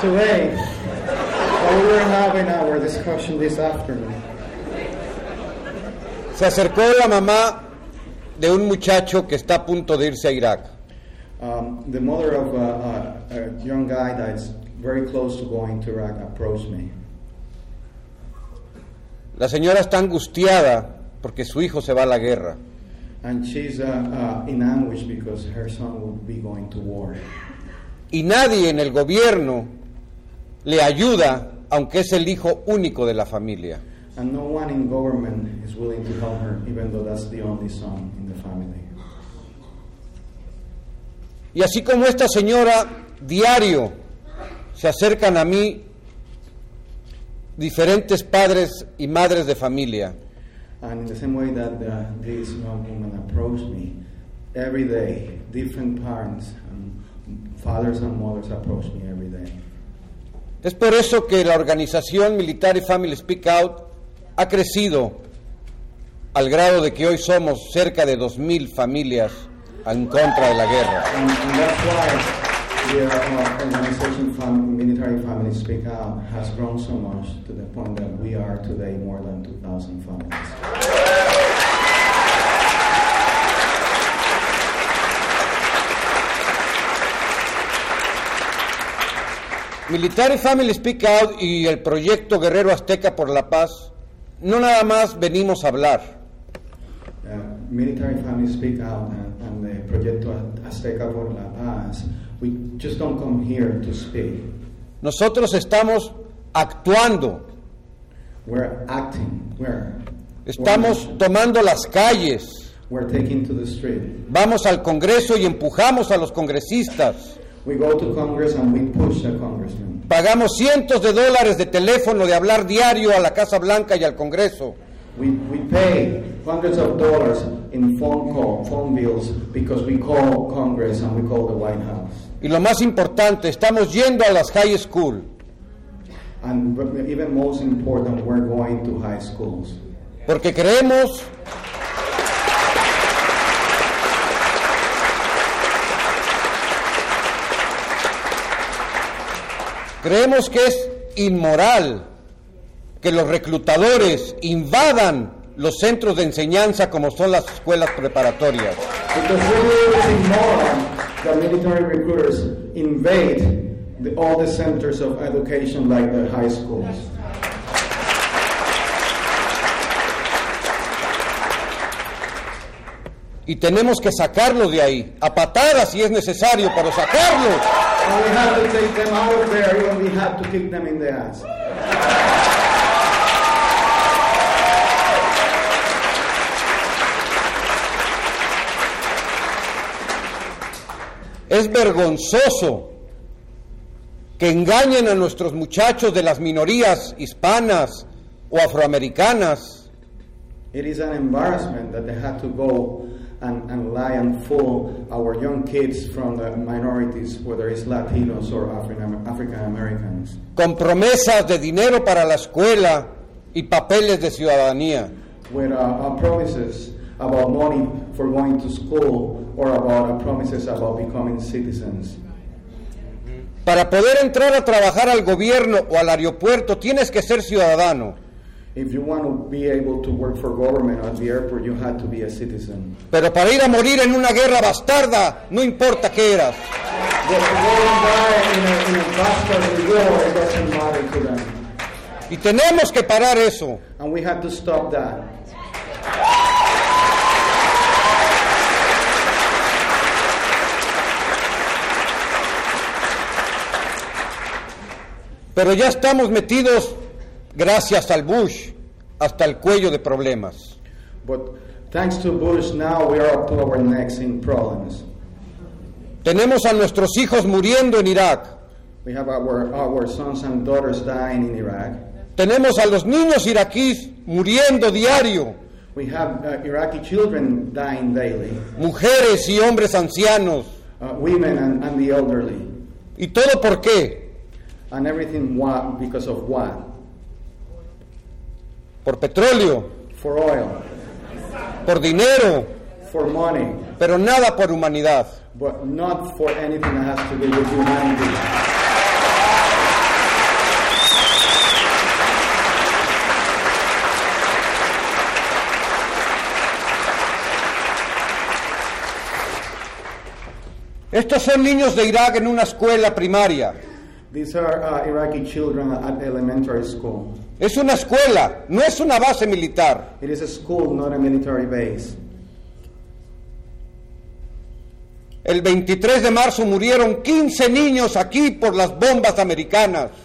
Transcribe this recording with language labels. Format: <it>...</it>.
<en>Today, while we were having our discussion this afternoon,</en> <es>se acercó la mamá de un muchacho que está a punto de irse a Iraq.</es> <en>The mother of a young guy that's very close to going to Iraq approached me.</en> <es>La señora está angustiada porque su hijo se va a la guerra.</es> <en>And she's in anguish because her son will be going to war.</en> <es>Y nadie en el gobierno le ayuda, aunque es el hijo único de la familia.</es> <en>And no one in government is willing to help her, even though that's the only son in the family.</en> <es>Y así como esta señora, diario, se acercan a mí diferentes padres y madres de familia.</es> <en>And in the same way that this young woman approached me, every day, different parents and fathers and mothers approach me every day.</en> <es>Es por eso que la organización Military Family Speak Out ha crecido al grado de que hoy somos cerca de 2,000 familias en contra de la guerra.</es> <en>And that's why the organization Military Family Speak Out has grown so much to the point that we are today more than 2,000 families.</en> <es>Military Family Speak Out y el proyecto Guerrero Azteca por la Paz no nada más venimos a hablar.</es> <en>Military Family Speak Out and the proyecto Azteca por la Paz, we just don't come here to speak.</en> <es>Nosotros estamos actuando.</es> <en>We're acting. Where?</en> <es>Estamos tomando las calles.</es> <en>We're taking to the street.</en> <es>Vamos al Congreso y empujamos a los congresistas.</es> <en>We go to Congress and we push the congressman.</en> <es>Pagamos cientos de dólares de teléfono de hablar diario a la Casa Blanca y al Congreso.</es> <en>We pay hundreds of dollars in phone bills because we call Congress and we call the White House.</en> <es>Y lo más importante, estamos yendo a las high school.</es> <en>And even most important, we're going to high schools.</en> <es>Porque creemos creemos que es inmoral que los reclutadores invadan los centros de enseñanza como son las escuelas preparatorias.</es> <en>Because we believe it's immoral that military recruiters invade all the centers of education like the high schools.</en> <es>Y tenemos que sacarlos de ahí, a patadas si es necesario, pero sacarlos.</es> <en>And we have to take them out of there and we have to kick them in the ass.</en> <es>Es vergonzoso que engañen a nuestros muchachos de las minorías hispanas o afroamericanas.</es> <en>It is an embarrassment that they had to go and lie and fool our young kids from the minorities, whether it's Latinos or African Americans.</en> <es>Con promesas de dinero para la escuela y papeles de ciudadanía.</es> <en>With promises about money for going to school or about promises about becoming citizens.</en> <es>Para poder entrar a trabajar al gobierno o al aeropuerto, tienes que ser ciudadano.</es> <en>If you want to be able to work for government at the airport, you had to be a citizen.</en> <es>Pero para ir a morir en una guerra bastarda, no importa qué eras.</es> <en>But to go and die in a bastard war, it doesn't matter to them.</en> <es>Y tenemos que parar eso.</es> <en>And we have to stop that.</en> <es>Pero ya estamos metidos, gracias al Bush, hasta el cuello de problemas.</es> <en>But thanks to Bush, now we are up to our necks in problems.</en> <es>Tenemos a nuestros hijos muriendo en Irak.</es> <en>We have our sons and daughters dying in Iraq.</en> <es>Tenemos a los niños iraquíes muriendo diario.</es> <en>We have Iraqi children dying daily.</en> <es>Mujeres y hombres ancianos.</es> <en>Women and the elderly.</en> <es>¿Y todo por qué?</es> <en>And everything why, because of what?</en> <es>Por petróleo.</es> <en>For oil.</en> <es>Por dinero.</es> <en>For money.</en> <es>Pero nada por humanidad.</es> <en>But not for anything that has to do with humanity.</en> <es>Estos son niños de Irak en una escuela primaria.</es> <en>These are Iraqi children at elementary school.</en> <es>Es una escuela, no es una base militar.</es> <en>It is a school, not a military base.</en> <es>El 23 de marzo murieron 15 niños aquí por las bombas americanas.</es>